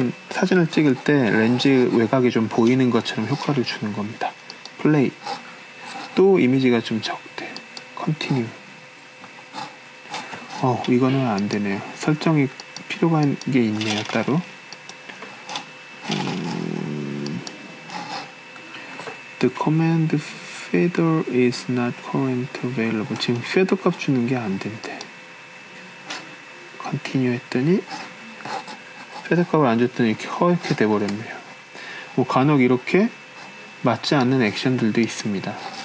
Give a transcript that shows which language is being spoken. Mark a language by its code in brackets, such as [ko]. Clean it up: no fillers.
[ko] 사진을 찍을 때 렌즈 외곽이 좀 보이는 것처럼 효과를 주는 겁니다. 플레이. 또 이미지가 좀 적대. 컨티뉴. 이거는 안 되네요. 설정이 필요한 게 있네요, 따로. [en] The command fader is not currently available. [ko] 지금 fader 값 주는 게 안 된대. Continue 했더니 fader 값을 안 줬더니 이렇게 허옇게 돼버렸네요. 뭐 간혹 이렇게 맞지 않는 액션들도 있습니다.